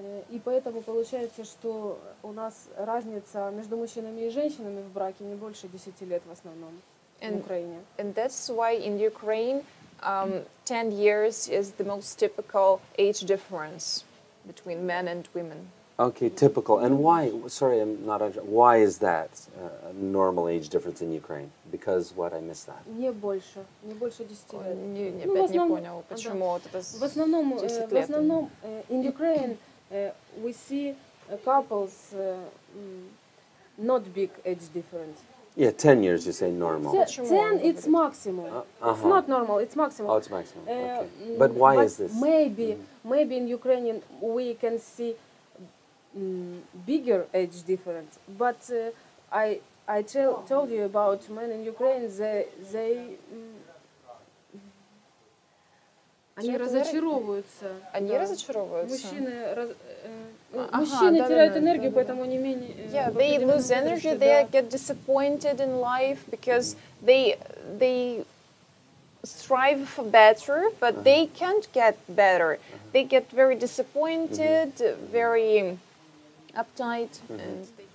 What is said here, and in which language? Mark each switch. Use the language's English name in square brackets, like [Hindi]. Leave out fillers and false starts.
[Russian] И поэтому получается, что у нас разница между мужчинами и женщинами в браке не больше 10 лет в основном в Украине. [English] And that's why in Ukraine 10 years is the most typical age difference between men and women. Okay, typical. And why? Sorry, I'm not. Why is that a normal age difference in Ukraine? Because what? I missed that. [Russian] Не больше 10 лет. В основном [English] in Ukraine we see couples not big age difference. Yeah, 10 years you say normal. 10 it's maximum. It's not normal, it's maximum. Oh, it's maximum. Okay. But why but is this? Maybe in Ukrainian we can see bigger age difference. But I told you about men in Ukraine, they [Russian] они разочаровываются. Они да. разочаровываются. Мужчины мужчины теряют энергию, поэтому они менее. [English] Yeah, they lose energy. They get disappointed in life because they strive for better, but uh-huh. they can't get better. Uh-huh. They get very disappointed, mm-hmm. very uptight. Mm-hmm. And